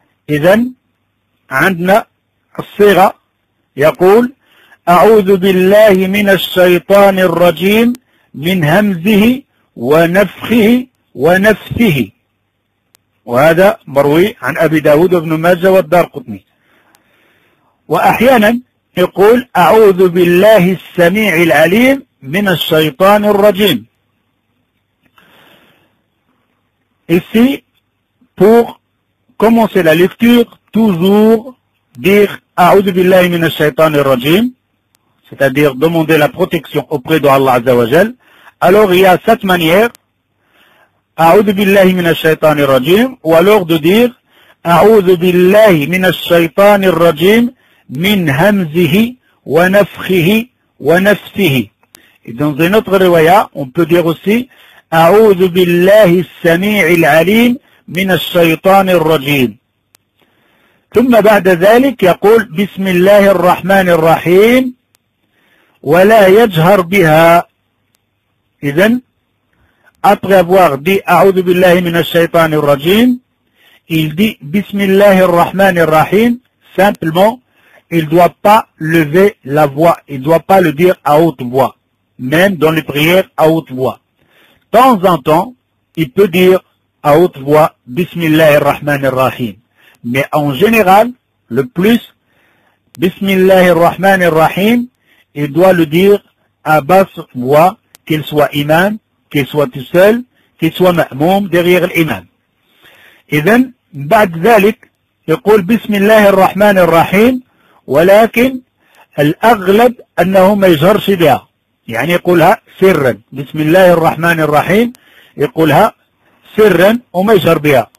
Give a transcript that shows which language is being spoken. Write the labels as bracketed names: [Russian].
[Arabic] إذن عندنا الصيغة يقول أعوذ بالله من الشيطان الرجيم من همزه ونفخه ونفثه. وهذا مروي عن أبي داود بن ماجه والدارقطني. وأحيانا يقول أعوذ بالله السميع العليم من الشيطان الرجيم. [French] ici pour commencer la lecture, toujours dire « A'udhu billahi min ash-shaytan ar-rajim » c'est-à-dire demander la protection auprès de Allah Azza wa Jal. Alors il y a cette manière « A'udhu billahi min ash-shaytan ar-rajim » ou alors de dire « A'udhu billahi min ash-shaytan ar-rajim min hamzihi wa nafkhihi wa nafsihi » et dans une autre riwaya, on peut dire aussi « A'udhu billahi s-sami'i al-alim » [Arabic] من الشيطان الرجيم. ثم بعد ذلك يقول بسم الله الرحمن الرحيم ولا يجهر بها. [French] إذن après avoir dit [Arabic] أعوذ بالله من الشيطان الرجيم [French] il dit [Arabic] بسم الله الرحمن الرحيم [French] simplement il doit pas lever la voix, il doit pas le dire à haute voix, même dans les prières à haute voix. De temps en temps il peut dire à haute voix, Bismillahir Rahmanir Rahim. Mais en général, le plus, Bismillahir Rahmanir Rahim, il doit le dire à basse voix, qu'il soit imam, qu'il soit tout seul, qu'il soit ma'moum derrière l'imam. Et [English] then, [Arabic] بعد ذلك, [French] il dit [Arabic] Bismillahir Rahmanir Rahim, ولكن الأغلب أنه ما يجهرش بها. يعني يقولها سرا. Bismillahir Rahmanir Rahim, يقولها سرا وما يجهر بها.